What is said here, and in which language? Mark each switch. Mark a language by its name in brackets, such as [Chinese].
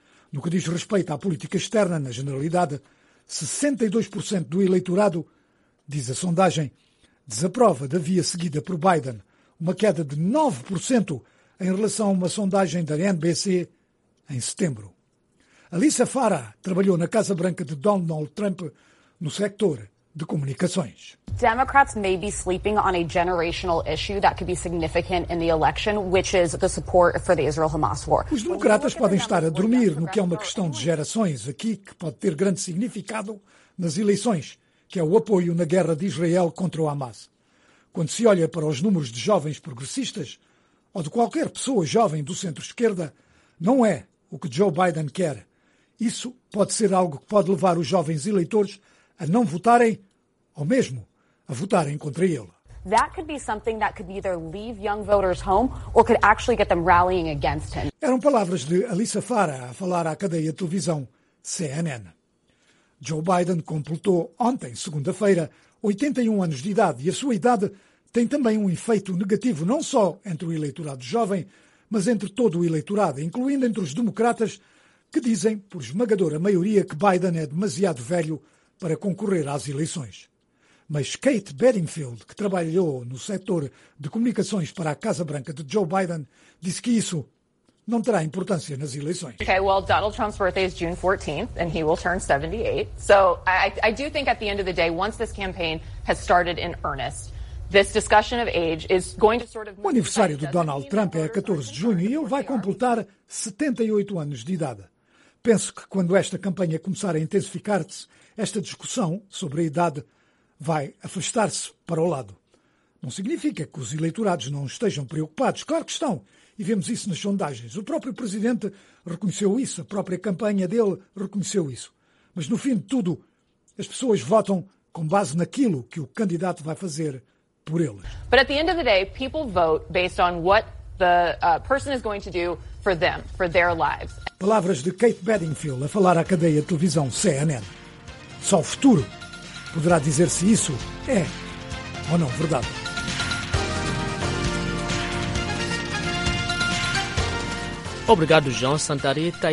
[Portuguese] No que diz respeito à política externa, na generalidade, 62% do eleitorado, diz a sondagem, desaprova da via seguida por Biden, uma queda de 9% em relação a uma sondagem da NBC em setembro. Alyssa Farah trabalhou na Casa Branca de Donald Trump no sector de comunicações. [English] Democrats may be sleeping on a generational issue that could be significant in the election, which is the support for the Israel-Hamas war. [Portuguese] Os democratas podem estar a dormir no que é uma questão de gerações aqui que pode ter grande significado nas eleições, que é o apoio na guerra de Israel contra o Hamas. Quando se olha para os números de jovens progressistas ou de qualquer pessoa jovem do centro-esquerda, não é o que Joe Biden quer. Isso pode ser algo que pode levar os jovens eleitores a não votarem ou mesmo a votarem contra ele. [English] That could be something that could either leave young voters home or could actually get them rallying against him. [Portuguese] Eram palavras de Alyssa Farah a falar à cadeia de televisão CNN. Joe Biden completou ontem, segunda-feira, 81 anos de idade, e a sua idade tem também um efeito negativo não só entre o eleitorado jovem, mas entre todo o eleitorado, incluindo entre os democratas, que dizem, por esmagadora maioria, que Biden é demasiado velho para concorrer às eleições. Mas Kate Bedingfield, que trabalhou no setor de comunicações para a Casa Branca de Joe Biden, disse que isso não terá importância nas eleições. [English] Okay, well, Donald Trump's birthday is June 14th and he will turn 78. So, I do think at the end of the day, once this campaign has started in earnest, this discussion of age is going to sort of... [Portuguese] O aniversário do Donald Trump é 14 de junho e ele vai completar 78 anos de idade. Penso que quando esta campanha começar a intensificar-se, esta discussão sobre a idade vai afastar-se para o lado. Não significa que os eleitorados não estejam preocupados. Claro que estão. E vemos isso nas sondagens. O próprio presidente reconheceu isso. A própria campanha dele reconheceu isso. Mas, no fim de tudo, as pessoas votam com base naquilo que o candidato vai fazer por eles. [English] But at the end of the day, people vote based on what the person is going to do for them, for their lives. [Portuguese] Palavras de Kate Bedingfield a falar à cadeia de televisão CNN. Só o futuro poderá dizer se isso é ou não verdade. Obrigado, João Santa Rita.